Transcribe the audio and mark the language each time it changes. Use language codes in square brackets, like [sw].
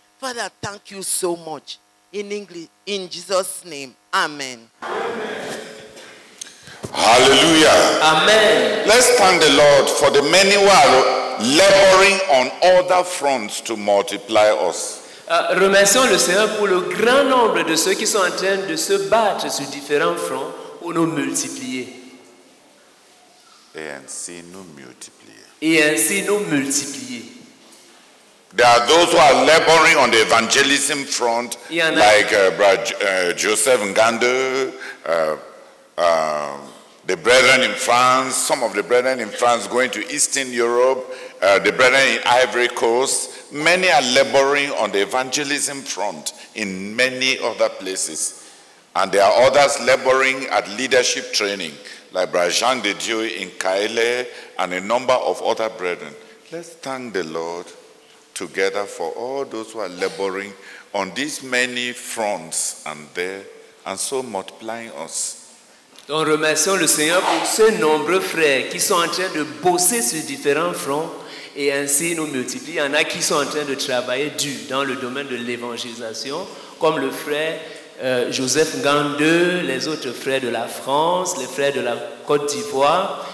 [en] Father, thank you so much. In English, in Jesus' name, amen. Amen. Hallelujah. Amen. Let's thank the Lord for the many who are laboring on other fronts to multiply us. [fr] Remercions le Seigneur pour le grand nombre de ceux qui sont en train de se battre sur différents fronts pour nous multiplier. Et ainsi nous multiplier. Et ainsi nous multiplier. [en] There are those who are laboring on the evangelism front, like Joseph Ngandu, the brethren in France, some of the brethren in France going to Eastern Europe, the brethren in Ivory Coast. Many are laboring on the evangelism front in many other places. And there are others laboring at leadership training, like Brother Jean de Dieu in Kaele and a number of other brethren. Let's thank the Lord together for all those who are laboring on these many fronts and there, and so multiplying us. [fr] Donc remercions le Seigneur pour ces nombreux frères qui sont en train de bosser sur différents fronts. Et ainsi nous multiplions. Il y en a qui sont en train de travailler dur dans le domaine de l'évangélisation, comme le frère Joseph Gandeux, les autres frères de la France, les frères de la Côte d'Ivoire.